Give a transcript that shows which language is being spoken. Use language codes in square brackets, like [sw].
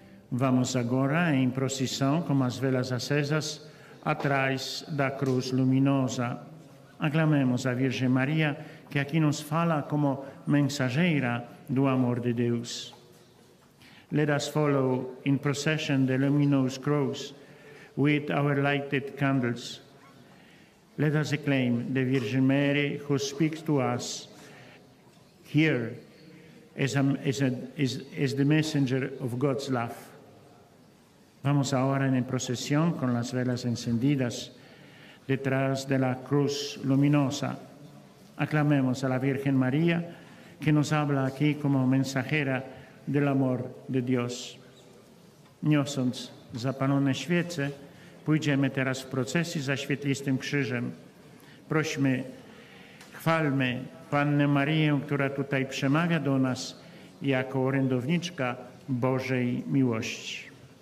[pt] Vamos agora em procissão com as velas acesas atrás da cruz luminosa. Aclamemos a Virgem Maria, que aqui nos fala como mensageira do amor de Deus. [en] Let us follow in procession the luminous cross with our lighted candles. Let us acclaim the Virgin Mary who speaks to us here as the messenger of God's love. [es] Vamos ahora en procesión con las velas encendidas detrás de la cruz luminosa. Aclamemos a la Virgen María que nos habla aquí como mensajera del amor de Dios. [pl] Niosąc zapalone świece, pójdziemy teraz w procesji za świetlistym krzyżem. Prośmy, chwalmy Pannę Marię, która tutaj przemawia do nas jako orędowniczka Bożej miłości.